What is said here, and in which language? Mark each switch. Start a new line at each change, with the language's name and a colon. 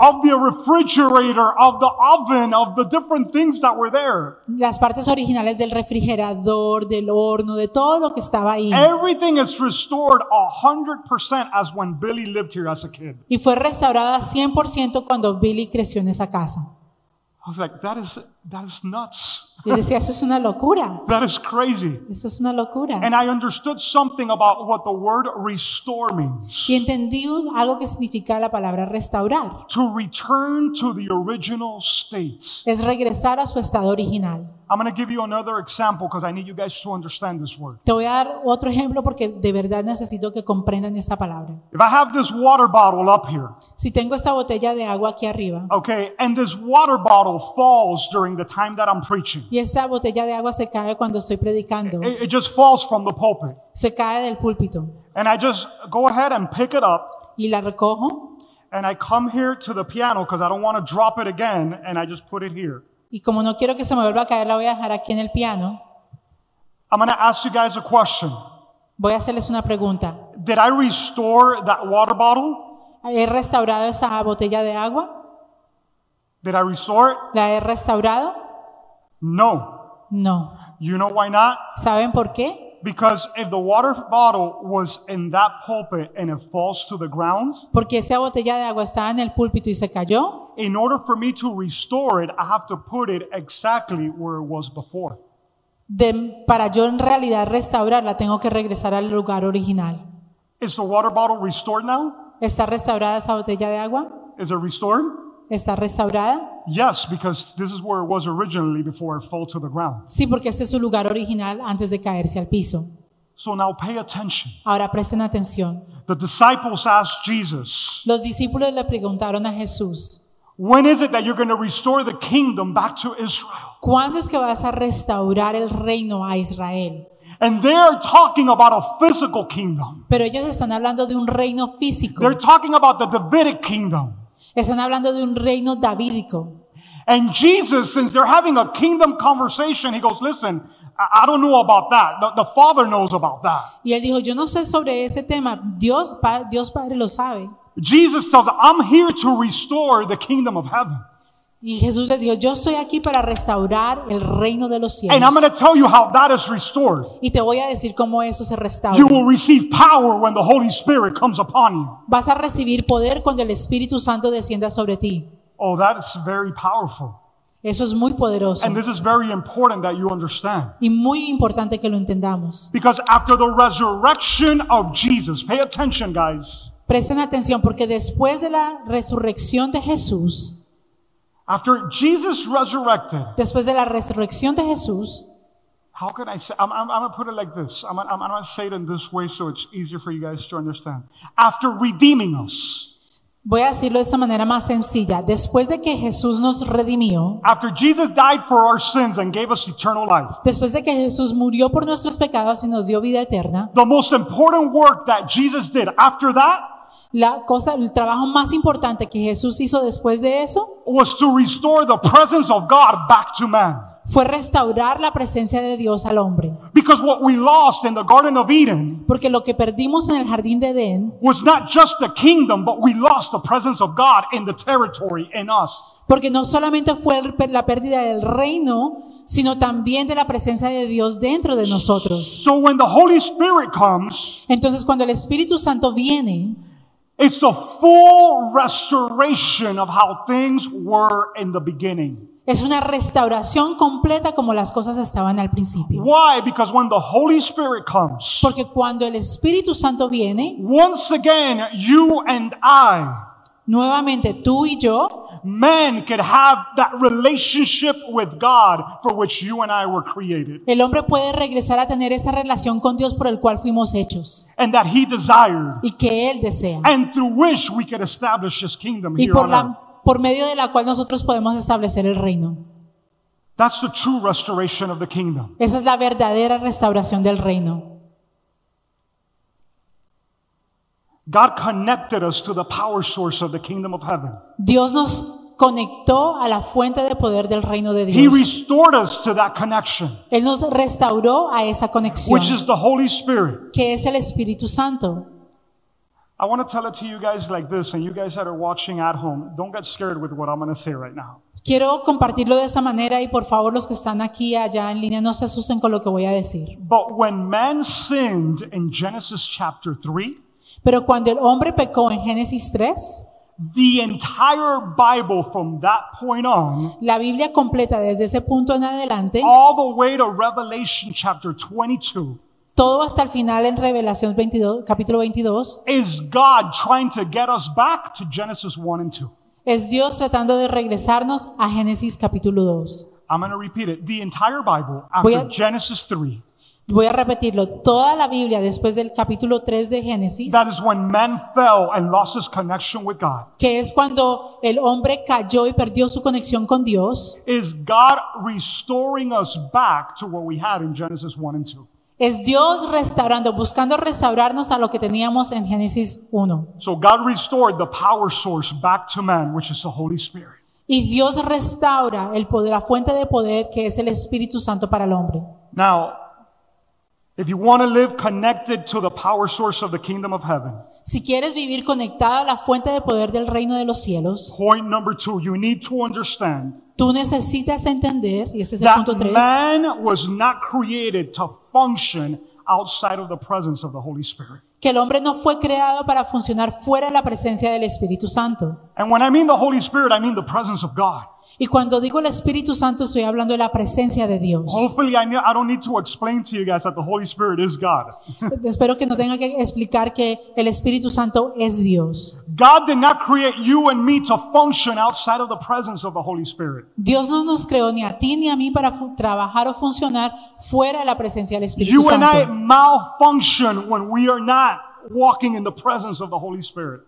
English: Of the refrigerator, of the oven, of the different things that were there.
Spanish: Las partes originales del refrigerador, del horno, de todo lo que estaba ahí.
English: Everything is restored 100% as when Billy lived here as a kid.
Spanish: Y fue restaurada 100% cuando Billy creció en esa casa.
English: I was like, that is That is nuts.
Spanish: Yo decía, eso es una locura.
English: That is crazy.
Spanish: Eso es una locura.
English: And I understood something about what the word restore means.
Spanish: Y entendí algo que significa la palabra restaurar.
English: To return to the original state.
Spanish: Es regresar a su estado original.
English: I'm going to give you another example because I need you guys to understand this word.
Spanish: Te voy a dar otro ejemplo porque de verdad necesito que comprendan esta palabra.
English: If I have this water bottle up here.
Spanish: Si tengo esta botella de agua aquí arriba.
English: Okay, and this water bottle falls during the time that I'm preaching.
Spanish: Y esta botella de agua se cae cuando estoy predicando.
English: It just falls from the pulpit.
Spanish: Se cae del púlpito.
English: And I just go ahead and pick it up.
Spanish: Y la recojo.
English: And I come here to the piano because I don't want to drop it again, and I just put it here.
Spanish: Y como no quiero que se me vuelva a caer, la voy a dejar aquí en el piano.
English: I'm going to ask you guys a question.
Spanish: Voy a hacerles una pregunta.
English: Did I restore that water bottle?
Spanish: ¿He restaurado esa botella de agua?
English: Did I restore it?
Spanish: ¿La he restaurado?
English: No.
Spanish: No.
English: You know why not?
Spanish: ¿Saben por qué?
English: Because if the water bottle was in that pulpit and it falls to the ground,
Spanish: porque esa botella de agua estaba en el púlpito y se cayó,
English: in order for me to restore it, I have to put it exactly where it was before.
Spanish: Para yo en realidad restaurarla, tengo que regresar al lugar original.
English: Is the water bottle restored now?
Spanish: ¿Está restaurada esa botella de agua?
English: Is it restored?
Spanish: ¿Está restaurada?
English: Yes, because this is where it was originally before it fell to the ground.
Spanish: Sí, porque este es su lugar original antes de caerse al piso.
English: So now pay attention.
Spanish: Ahora presten atención.
English: The disciples asked Jesus.
Spanish: Los discípulos le preguntaron a Jesús.
English: When is it that you're going to restore the kingdom back to Israel?
Spanish: ¿Cuándo es que vas a restaurar el reino a Israel?
English: And they're talking about a physical kingdom.
Spanish: Pero ellos están hablando de un reino físico.
English: They're talking about the Davidic kingdom.
Spanish: Están hablando de un reino davídico.
English: And Jesus, since they're having a kingdom conversation, he goes, listen, I don't know about that. The Father knows about that.
Spanish: Y él dijo, yo no sé sobre ese tema. Dios Padre lo sabe.
English: Jesus tells them, I'm here to restore the kingdom of heaven.
Spanish: Y Jesús les dijo, yo estoy aquí para restaurar el reino de los cielos.
English: And I'm going to tell you how that is restored.
Spanish: Y te voy a decir cómo eso se restaura.
English: You will receive power when the Holy Spirit comes upon you.
Spanish: Vas a recibir poder cuando el Espíritu Santo descienda sobre ti.
English: Oh, that is very powerful.
Spanish: Eso es muy poderoso.
English: And this is very important that you understand.
Spanish: Y muy importante que lo entendamos.
English: Because after the resurrection of Jesus, pay attention, guys.
Spanish: Presten atención porque después de la resurrección de Jesús,
English: after Jesus resurrected,
Spanish: después de la resurrección de Jesús,
English: how can I say? I'm gonna put it like this. I'm gonna say it in this way so it's easier for you guys to understand. After redeeming us,
Spanish: voy a decirlo de esta manera más sencilla. Después de que Jesús nos redimió,
English: after Jesus died for our sins and gave us eternal life,
Spanish: después de que Jesús murió por nuestros pecados y nos dio vida eterna,
English: the most important work that Jesus did after that.
Spanish: La cosa, el trabajo más importante que Jesús hizo después de eso
English: was to restore the presence of God back to man.
Spanish: Fue restaurar la presencia de Dios al hombre.
English: Because what we lost in the Garden of Eden,
Spanish: porque lo que perdimos en el jardín de Edén,
English: was not just the kingdom, but we lost the presence of God in the territory in us.
Spanish: Porque no solamente fue la pérdida del reino, sino también de la presencia de Dios dentro de nosotros.
English: So when the Holy Spirit comes,
Spanish: entonces cuando el Espíritu Santo viene,
English: it's a full restoration of how things were in the beginning.
Spanish: Es una restauración completa como las cosas estaban al principio.
English: Why? Because when the Holy Spirit comes,
Spanish: porque cuando el Espíritu Santo viene,
English: once again, you and I,
Spanish: nuevamente tú y yo,
English: man could have that relationship with God for which you and I were created.
Spanish: El hombre puede regresar a tener esa relación con Dios por el cual fuimos hechos.
English: And that he desired.
Spanish: Y que él desea.
English: And through which we could establish his kingdom here.
Spanish: Y por medio de la cual nosotros podemos establecer el reino.
English: That's the true restoration of the kingdom.
Spanish: Esa es la verdadera restauración del reino.
English: God connected us to the power source of the kingdom of heaven.
Spanish: Dios nos conectó a la fuente de poder del reino de Dios.
English: He restored us to that connection.
Spanish: Él nos restauró a esa conexión.
English: Which is the Holy Spirit.
Spanish: Que es el Espíritu Santo.
English: I want to tell it to you guys like this, and you guys that are watching at home, don't get scared with what I'm going to say right now.
Spanish: Quiero compartirlo de esa manera y por favor los que están aquí allá en línea no se asusten con lo que voy a decir.
English: But when man sinned in Genesis chapter 3,
Spanish: pero cuando el hombre pecó en Génesis 3,
English: the entire Bible from that point on,
Spanish: la Biblia completa desde ese punto en adelante,
English: all the way to Revelation chapter 22,
Spanish: todo hasta el final en Revelación 22, capítulo 22,
English: is God trying to get us back to Genesis 1 and 2.
Spanish: Es Dios tratando de regresarnos a Génesis capítulo 2.
English: I'm going to repeat it. The entire Bible after Genesis 3.
Spanish: Voy a repetirlo. Toda la Biblia después del capítulo 3 de Génesis.
English: That is when man fell and lost his connection with God.
Spanish: Que es cuando el hombre cayó y perdió su conexión con Dios.
English: Is God restoring us back to what we had in Genesis 1 and 2.
Spanish: Es Dios restaurando, buscando restaurarnos a lo que teníamos en Génesis 1.
English: So God restored the power source back to man, which is the Holy Spirit.
Spanish: Y Dios restaura el poder, la fuente de poder que es el Espíritu Santo para el hombre.
English: Now, if you want to live connected to the power source of the kingdom of heaven,
Spanish: si quieres vivir conectado a la fuente de poder del reino de los cielos,
English: point number two, you need to understand,
Spanish: tú necesitas entender, y este es el punto tres,
English: man was not created to function outside of the presence of the Holy Spirit.
Spanish: Que el hombre no fue creado para funcionar fuera de la presencia del Espíritu Santo.
English: And when I mean the Holy Spirit, I mean the presence of God.
Spanish: Y cuando digo el Espíritu Santo, estoy hablando de la presencia de Dios.
English: Hopefully I don't need to explain to you guys that the Holy Spirit is God.
Spanish: Espero que no tenga que explicar que el Espíritu Santo es Dios.
English: God did not create you and me to function outside of the presence of the Holy Spirit.
Spanish: Dios no nos creó ni a ti ni a mí para trabajar o funcionar fuera de la presencia del Espíritu you Santo.
English: You and I malfunction when we are not walking in the presence of the Holy Spirit.